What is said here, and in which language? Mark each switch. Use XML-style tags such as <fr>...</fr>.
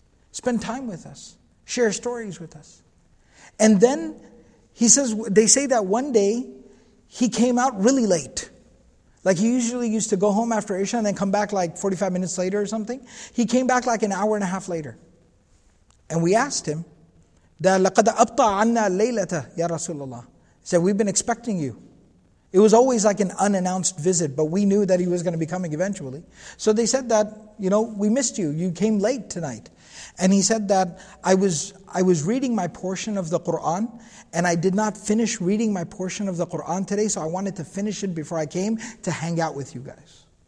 <en>Spend time with us. Share stories with us. And then, he says, they say that one day, he came out really late. Like he usually used to go home after Isha and then come back like 45 minutes later or something. He came back like an hour and a half later. And we asked him, that</en> <ar>لَقَدْ أَبْطَى عَنَّا لَيْلَةَ يَا رَسُولَ اللَّهِ.</ar> <en>He said, we've been expecting you. It was always like an unannounced visit, but we knew that he was going to be coming eventually. So they said that, you know, we missed you. You came late tonight. And he said that I was reading my portion of the Qur'an, and I did not finish reading my portion of the Qur'an today, so I wanted to finish it before I came to hang out with you guys.</en>